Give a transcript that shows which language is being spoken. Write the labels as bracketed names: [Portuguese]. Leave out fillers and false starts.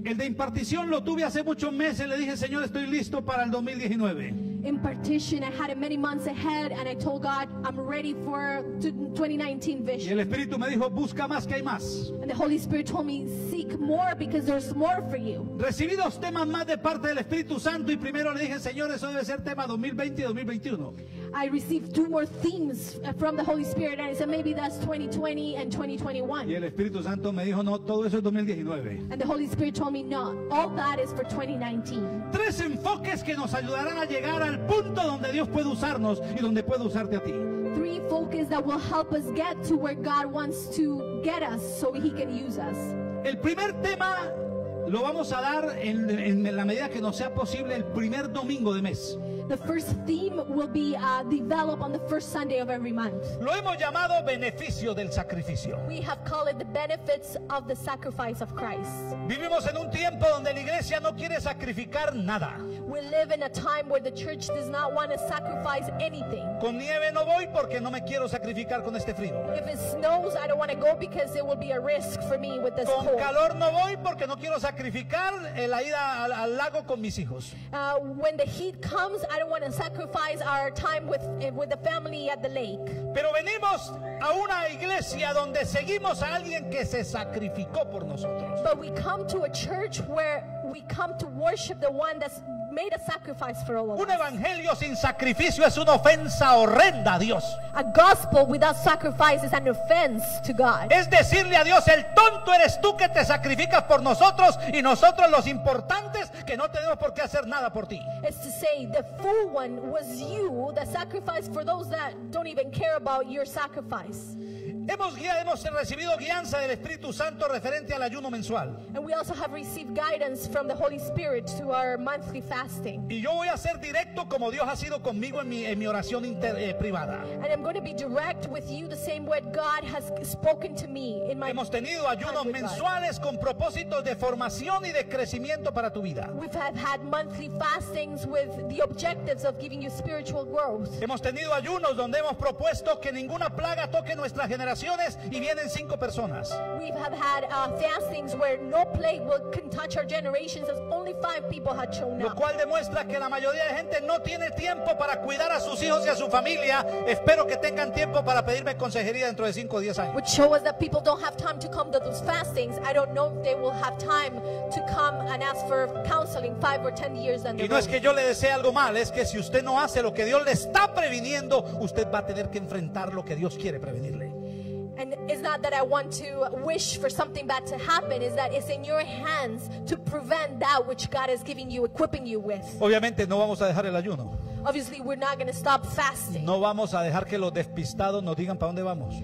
[Spanish] El de impartición lo tuve hace muchos meses. Le dije, Señor, estoy listo para el 2019. [English] Impartition, I had it many months ahead and I told God, I'm ready for 2019 vision. [Spanish] Y el Espíritu me dijo, busca más que hay más. [English] And the Holy Spirit told me, seek more because there's more for you. [Spanish] Recibí dos temas más de parte del Espíritu Santo y primero le dije, Señor, eso debe ser tema 2020 y 2021. [English] I received two more themes from the Holy Spirit and I said maybe that's 2020 and 2021. [Spanish] Y el Espíritu Santo me dijo, no, todo eso es 2019. [English] And the Holy Spirit told me no, all that is for 2019. [Spanish] Tres enfoques que nos ayudarán a llegar al punto donde Dios puede usarnos y donde puede usarte a ti. [English] Three focuses that will help us get to where God wants to get us so he can use us. [Spanish] El primer tema Lo vamos a dar en la medida que nos sea posible el primer domingo de mes. [English] The first theme will be developed on the first Sunday of every month. [Spanish] Lo hemos llamado beneficio del sacrificio. [English] We have called it the benefits of the sacrifice of Christ. [Spanish] Vivimos en un tiempo donde la iglesia no quiere sacrificar nada. [English] We live in a time where the church does not want to sacrifice anything. [Spanish] Con nieve no voy porque no me quiero sacrificar con este frío. [English] If it snows, I don't want to go because it will be a risk for me with this [Spanish] con [English] cold. [Spanish] Con calor no voy porque no quiero sacrificar la ida al lago con mis hijos. [English] When the heat comes, I don't want to sacrifice our time with the family at the lake. [Spanish] Pero venimos a una iglesia donde seguimos a alguien que se sacrificó por nosotros. [English] But we come to a church where we come to worship the one that's made a sacrifice for all of us. [Spanish] Un evangelio sin sacrificio es una ofensa horrenda a Dios. [English] A gospel without sacrifice is an offense to God. [Spanish] Es decirle a Dios, el tonto eres tú que te sacrificas por nosotros y nosotros los importantes que no tenemos por qué hacer nada por ti. [English] It's to say the fool one was you that sacrificed for those that don't even care about your sacrifice. [Spanish] Hemos recibido guianza del Espíritu Santo referente al ayuno mensual. [English] And we also have received guidance from the Holy Spirit to our monthly fasting. [Spanish] Y yo voy a ser directo como Dios ha sido conmigo en mi oración privada. [English] And I'm going to be direct with you the same way God has spoken to me in my. [Spanish] Hemos tenido ayunos mensuales con propósitos de formación y de crecimiento para tu vida. [English] We have had monthly fastings with the objectives of giving you spiritual growth. [Spanish] Hemos tenido ayunos donde hemos propuesto que ninguna plaga toque nuestra generación. Y vienen cinco personas. [English] We have had fastings where no plague will can touch our generations as only five people had shown up. [Spanish] Lo cual demuestra que la mayoría de gente no tiene tiempo para cuidar a sus hijos y a su familia. Espero que tengan tiempo para pedirme consejería dentro de 5 o 10 años. [English] Which show us that people don't have time to come to those fastings. I don't know if they will have time to come and ask for counseling 5 or 10 years. [Spanish] Y no es que yo le desee algo mal, es que si usted no hace lo que Dios le está previniendo, usted va a tener que enfrentar lo que Dios quiere prevenirle. [English] And it's not that I want to wish for something bad to happen, is that it's in your hands to prevent that which God is giving you, equipping you with. [Spanish] Obviamente no vamos a dejar el ayuno. [English] Obviously we're not going to stop fasting. [Spanish] No vamos a dejar que los despistados nos digan para dónde vamos.